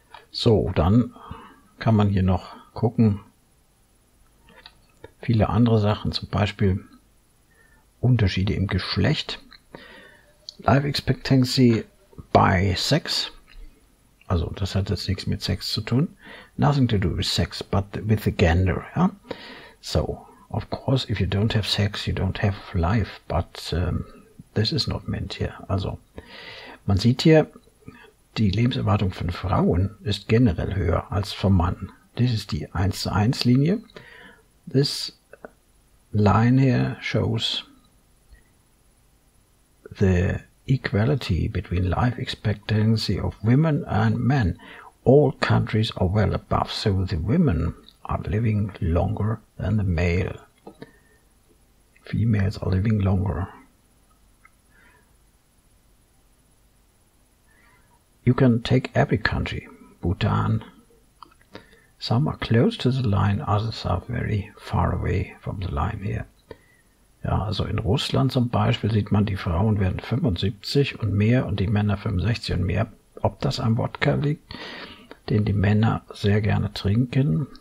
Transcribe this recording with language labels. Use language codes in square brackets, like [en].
[de] So, dann kann man hier noch gucken. Viele andere Sachen, zum Beispiel Unterschiede im Geschlecht. [en] Life expectancy by sex. [de] Also, das hat jetzt nichts mit Sex zu tun. [en] Nothing to do with sex, but with the gender. Yeah? So, of course, if you don't have sex, you don't have life. But this is not meant here. [de] Also, man sieht hier, die Lebenserwartung von Frauen ist generell höher als vom Mann. Das ist die 1 zu 1 Linie. [en] This line here shows the equality between life expectancy of women and men. All countries are well above, so the women are living longer than the male. Females are living longer. You can take every country, Bhutan. Some are close to the line, others are very far away from the line here. [de] Ja, also in Russland zum Beispiel sieht man, die Frauen werden 75 und mehr und die Männer 65 und mehr. Ob das am Wodka liegt, den die Männer sehr gerne trinken.